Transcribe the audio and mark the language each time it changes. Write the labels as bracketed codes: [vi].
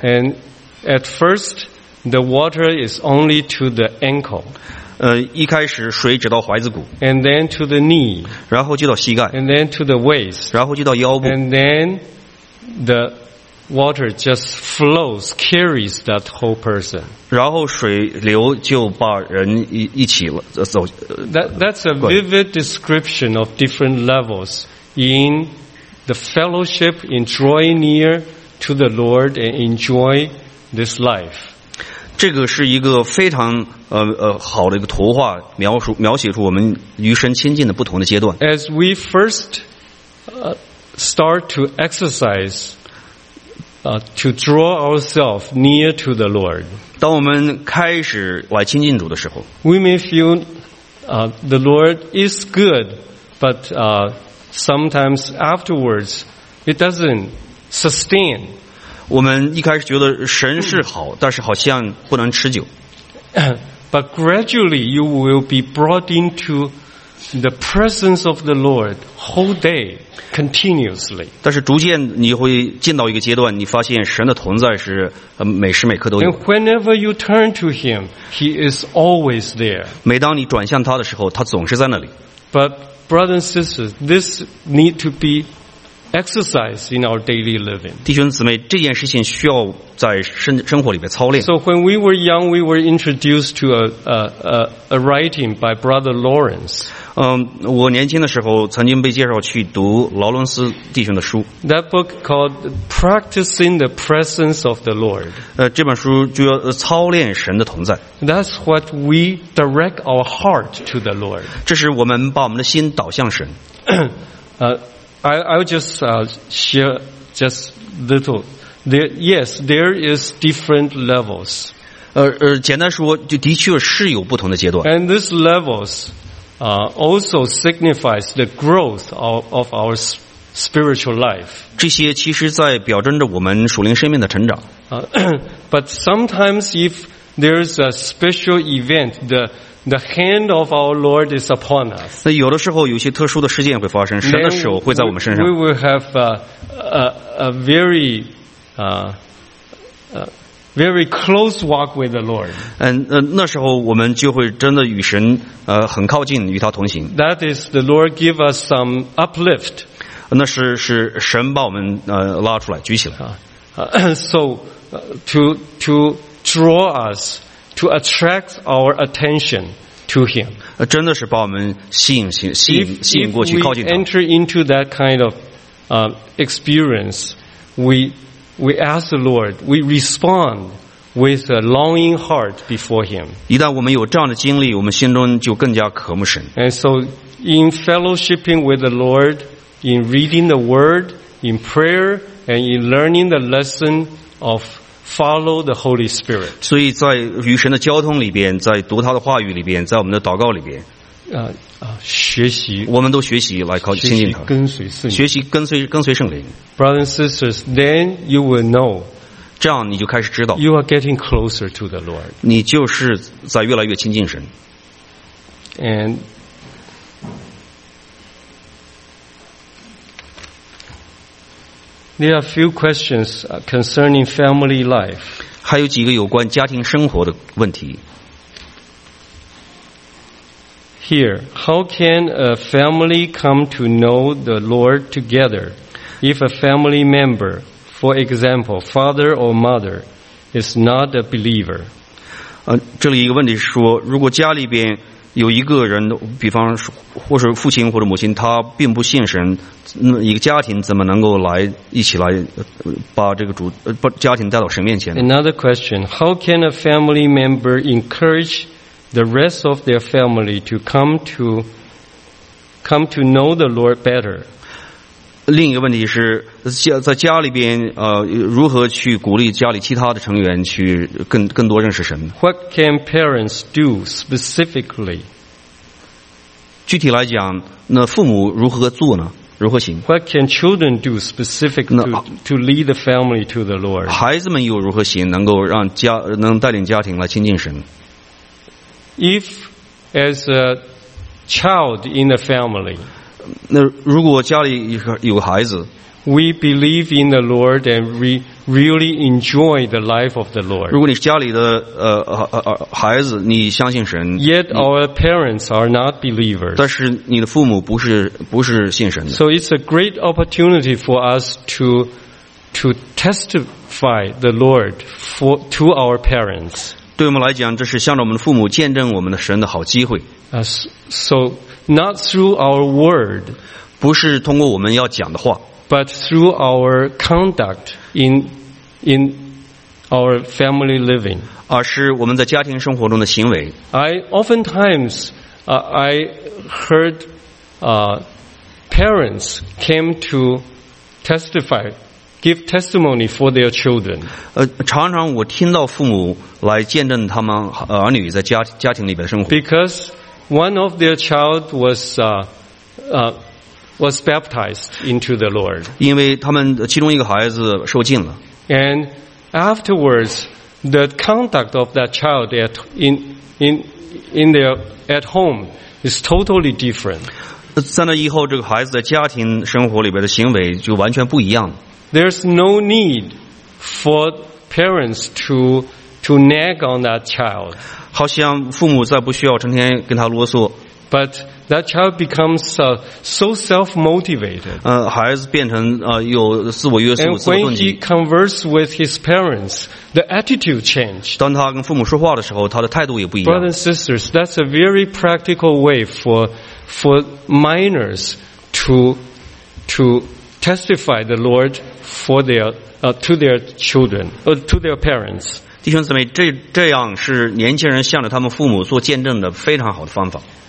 [en] And at first, the water is only to the ankle. [zh] 一开始水只到踝子骨。 [en] And then to the knee. [zh] 然后就到膝盖。 [en] And then to the waist. [zh] 然后就到腰部。 [en] And then the water just flows, carries that whole person. [zh] 然后水流就把人一起走。 [en] That's a vivid description of different levels in. The fellowship in drawing near to the Lord and enjoy this life. [zh] 这个是一个非常好的一个图画，描写出我们与神亲近的不同的阶段。 [en] As we first start to exercise to draw ourselves near to the Lord, [zh] 当我们开始来亲近主的时候 [en] ，we may feel the Lord is good, but Sometimes afterwards, it doesn't sustain. [zh] 我们一开始觉得神是好，但是好像不能持久。 [en] But gradually, you will be brought into the presence of the Lord whole day, continuously. [zh] 但是逐渐你会进到一个阶段，你发现神的同在是每时每刻都有。 [en] And whenever you turn to Him, He is always there. [zh] 每当你转向他的时候，他总是在那里。 [en] But Brothers and sisters, this need to be exercised in our daily living. [zh] 弟兄姊妹，这件事情需要在生活里面操练。 [en] So when we were young, we were introduced to a writing by Brother Lawrence. [zh] 我年轻的时候曾经被介绍去读劳伦斯弟兄的书。 [en] That book called Practicing the Presence of the Lord. [zh] 这本书就要操练神的同在。 [en] That's what we direct our heart to the Lord. [zh] 这是我们把我们的心导向神。 [en] I'll just share just little. There is different levels. [zh] 简单说，就的确是有不同的阶段。 [en] And these levels. Also signifies the growth of our spiritual life. [zh] 这些其实在表征着我们属灵生命的成长。 [en] But sometimes if there's a special event, the hand of our Lord is upon us. [zh] 那有的时候有些特殊的事件会发生，神的手会在我们身上。 [en] We will have a very close walk with the Lord. [zh] 那时候我们就会真的与神很靠近，与他同行。 [en] That is the Lord give us some uplift. [zh] 那是神把我们拉出来，举起来。 [en] So to draw us to attract our attention to Him. [zh] 真的是把我们吸引过去，靠近他。 [en] If we enter into that kind of experience, We ask the Lord. We respond with a longing heart before Him. [zh] 一旦我们有这样的经历，我们心中就更加渴慕神。 [en] And so, in fellowshipping with the Lord, in reading the Word, in prayer, and in learning the lesson of follow the Holy Spirit. [zh] 所以在与神的交通里边，在读他的话语里边，在我们的祷告里边，学习，我们都学习来靠亲近他，跟随圣灵，学习跟随圣灵。 [en] Brothers and sisters, then you will know [zh] 这样你就开始知道。 [en] You are getting closer to the Lord. [zh] 你就是在越来越亲近神。 [en] And there are a few questions concerning family life. [zh] 还有几个有关家庭生活的问题。 [en] Here, how can a family come to know the Lord together if a family member, for example, father or mother, is not a believer? [zh] 这里一个问题是说，如果家里边有一个人，比方说或是父亲或者母亲，他并不信神，那一个家庭怎么能够来一起来把这个主把家庭带到神面前 [en] ？Another question: How can a family member encourage the rest of their family to come to know the Lord better? [zh] 另一个问题是在家里边如何去鼓励家里其他的成员去更多认识神 [en] ？What can parents do specifically? [zh] 具体来讲，那父母如何做呢？如何行 [en] ？What can children do specifically to lead the family to the Lord? [zh] 孩子们又如何行，能够让家能带领家庭来亲近神？ [en] If as a child in the family, [zh] 那如果家里有孩子 [en] ，we believe in the Lord and we really enjoy the life of the Lord. [zh] 如果你家里的孩子，你相信神 [en] ，yet our parents are not believers. [zh] 但是你的父母不是信神的。 [en] So it's a great opportunity for us to testify the Lord to our parents. [zh] 对我们来讲，这是向着我们的父母见证我们的神的好机会。 [en] So not through our word, [zh] 不是通过我们要讲的话 [en] ，but through our conduct in our family living, [zh] 而是我们在家庭生活中的行为。 [en] I oftentimes, I heard, parents came to testify. Give testimony for their children. [zh] 常常我听到父母来见证他们儿女在家庭里边生活。 [en] Because one of their child was baptized into the Lord. [zh] 因为他们其中一个孩子受浸了。 [en] And afterwards, the conduct of that child at home is totally different. [zh] 在那以后，这个孩子在家庭生活里边的行为就完全不一样。 [en] There's no need for parents to nag on that child. [zh] 好像父母再不需要成天跟他啰嗦。 [en] But that child becomes so self-motivated. [zh] 孩子变成有自我约束、自我动机。 [en] And when he converses with his parents, the attitude changes. [zh] 当他跟父母说话的时候，他的态度也不一样。 [en] Brothers and sisters, that's a very practical way for minors to. Testify the Lord for their to their children to their parents. [zh] 弟兄姊妹，这样是年轻人向着他们父母做见证的非常好的方法。